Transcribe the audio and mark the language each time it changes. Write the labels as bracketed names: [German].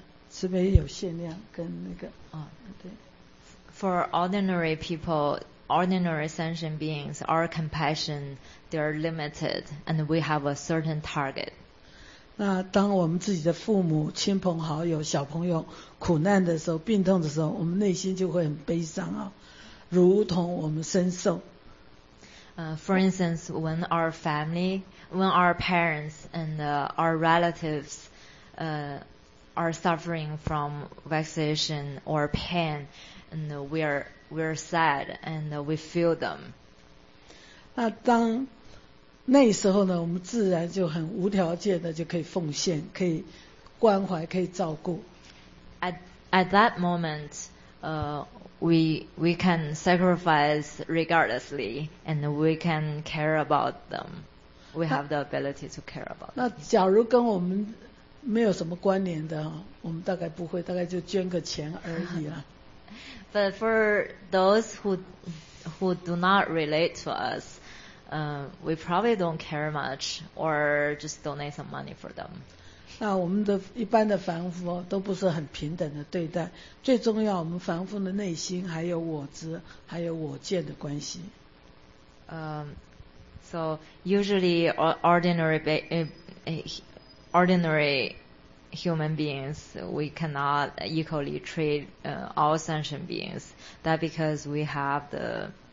[Chinese] 慈悲有限量跟那个啊、对。 [English] For ordinary people, ordinary sentient beings, our compassion they are limited, and we have a certain target. [Chinese] 那当我们自己的父母、亲朋好友、小朋友苦难的时候、病痛的时候，我们内心就会很悲伤啊。如同我们身受。 [English] For instance, when our family, when our parents and our relatives are suffering from vexation or pain, and we're sad and we feel them. [Chinese] 那当那时候呢，我们自然就很无条件的就可以奉献，可以关怀，可以照顾。 [English] At that moment, we can sacrifice regardlessly, and we can care about them. We have the ability to care about them. [Chinese] 那假如跟我们没有什么关联的，我们大概不会，大概就捐个钱而已了。 [English] But for those who do not relate to us, we probably don't care much, or just donate some money for them. [Chinese] 那我们的一般的凡夫都不是很平等的对待，最重要我们凡夫的内心还有我执还有我见的关系。 [English] So usually ordinary human beings we cannot equally treat all sentient beings, that because we have the